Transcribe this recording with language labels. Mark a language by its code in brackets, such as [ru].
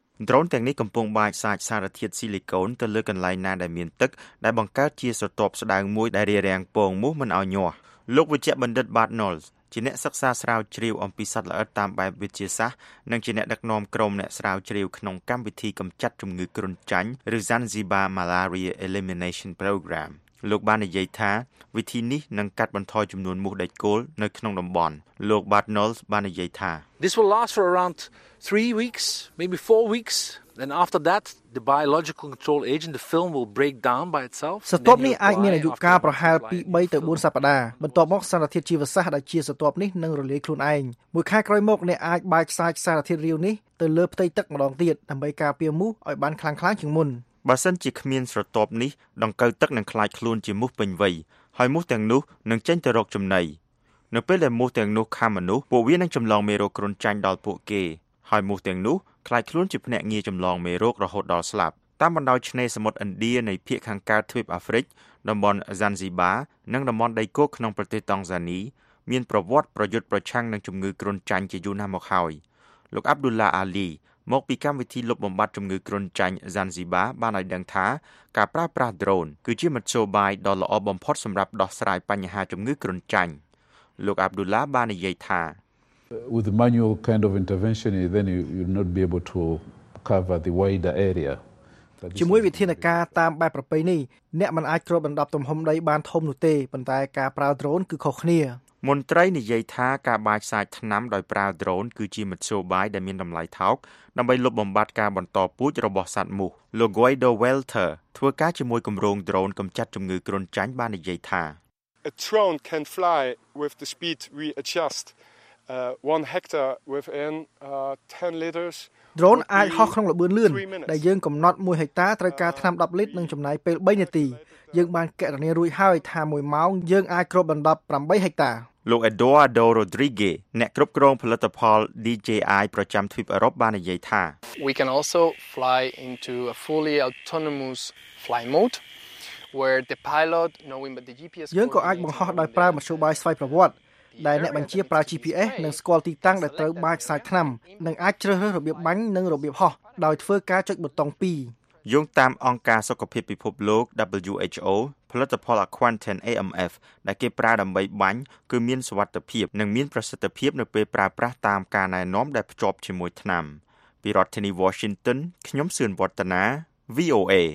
[km] ដ្រូនទាំងនេះកំពុងបាចសាចសារធាតុស៊ីលីកូនទៅលើកន្លែងណាដែលមានទឹកដែលបង្កើតជាស្រទាប់ស្ដើងមួយដែលរារាំងពងមូសមិនឲ្យញាស់លោកវេជ្ជបណ្ឌិតបាត Knowles ជាអ្នកសិក្សាស្រាវជ្រាវអំពីសត្វល្អិតតាមបែបវិទ្យាសាស្ត្រនិងជាអ្នកដឹកនាំក្រុមអ្នកស្រាវជ្រាវក្នុងកម្មវិធីកម្ចាត់ជំងឺគ្រុនចាញ់ឬ Zanzibar Malaria Elimination Program លោកបាននិយាយថាវិធីនេះនឹងកាត់បន្ថយចំនួនមូសដេកគោលនៅក្នុងតំបន់លោកបាត Knowles បាននិយាយថា [en] This will last for around 3 weeks maybe 4 weeks then after that the biological control agent the film will break down by itself [km] សត្វនេះអាចមានអាយុកាលប្រហែល2-3ទៅ4សប្តាហ៍បន្ទាប់មកសារធាតុជីវសាស្ត្រដែលជាសត្វនេះនឹងរលាយខ្លួនឯងមួយខែក្រោយមកអ្នកអាចបាចសាចសារធាតុរាវនេះទៅលើផ្ទៃទឹកម្ដងទៀតដើម្បីការពារមូសឲ្យបានខ្លាំងខ្លាជាងមុន បើសិនជាគ្មានស្រទាប់នេះដង្កូវទឹកនឹងខ្លាចខ្លួនជាមូសពេញវ័យហើយមូសទាំងនោះនឹងចេញទៅរកចំណីនៅពេលដែលមូសទាំងនោះខាំមនុស្សពួកវានឹងចម្លងមេរោគគ្រុនចាញ់ដល់ពួកគេហើយមូសទាំងនោះខ្លាចខ្លួនជាភ្នាក់ងារចម្លងមេរោគរហូតដល់ស្លាប់តាមបណ្ដោយឆ្នេរសមុទ្រឥណ្ឌានៃភាគខាងកើតទ្វីបអាហ្វ្រិកតំបន់ Zanzibar និងតំបន់ដីគោកក្នុងប្រទេសតង់ហ្សានីមានប្រវត្តិប្រយុទ្ធប្រឆាំងនឹងជំងឺគ្រុនចាញ់ជាយូរណាស់មកហើយ លោក Abdullah Ali មកពីកម្មវិធីលុបបំបាត់ជំងឺគ្រុនចាញ់ Zanzibar បានឲ្យដឹងថាការប្រើប្រាស់ drone គឺជាមធ្យោបាយដ៏ល្អបំផុតសម្រាប់ដោះស្រាយបញ្ហាជំងឺគ្រុនចាញ់លោក Abdullah បាននិយាយថា [en] With the manual kind of intervention then you'll not be able to cover the wider area [km] ជាមួយវិធានការតាមបែបប្រពៃណីអ្នកមិនអាចគ្របដណ្ដប់ទំហំដីបានធំនោះទេប៉ុន្តែការប្រើ drone គឺខុសគ្នា មន្ត្រីនិយាយថាការបាចសាចថ្នាំដោយប្រើ drone គឺជាមធ្យោបាយដែលមានតម្លៃថោកដើម្បីលុបបំបាត់ការបន្តពូជរបស់សត្វមូសលោក Guido Welter ធ្វើការជាមួយគម្រោង drone កម្ចាត់ជំងឺគ្រុនចាញ់បាននិយាយថា [en] A drone can fly with the speed we adjust 1 hectare within 10 liters [km] drone អាចហោះក្នុងល្បឿនលឿនដែលយើងកំណត់1ហិកតាត្រូវការថ្នាំ10លីត្រនិងចំណាយពេល3នាទីយើងបានកណនីរួចហើយថា1ម៉ោងយើងអាចគ្របដណ្ដប់8ហិកតា លោក Eduardo Rodriguez អ្នកគ្រប់គ្រងផលិតផល DJI ប្រចាំទ្វីបអឺរ៉ុបបាននិយាយថា [en] We can also fly into a fully autonomous fly mode where the pilot knowing but the GPS [km] យើងក៏អាចបង្ហោះដោយប្រើមធ្យោបាយស្វ័យប្រវត្តិដែលអ្នកបញ្ជាប្រើ GPS និងស្គាល់ទីតាំងដែលត្រូវបាចសាយថ្នាំនិងអាចជ្រើសរើសរបៀបបាញ់និងរបៀបហោះដោយធ្វើការចុចប៊ូតុង2 យោងតាមអង្គការសុខភាពពិភពលោក WHO ផលិតផល Aquantan AMF ដែលគេប្រើដើម្បីបាញ់គឺមានសុវត្ថិភាពនិងមានប្រសិទ្ធភាពនៅពេលប្រើប្រាស់តាមការណែនាំដែលភ្ជាប់ជាមួយថ្នាំពីរដ្ឋធានី Washington ខ្ញុំសឿនវឌ្ឍនា VOA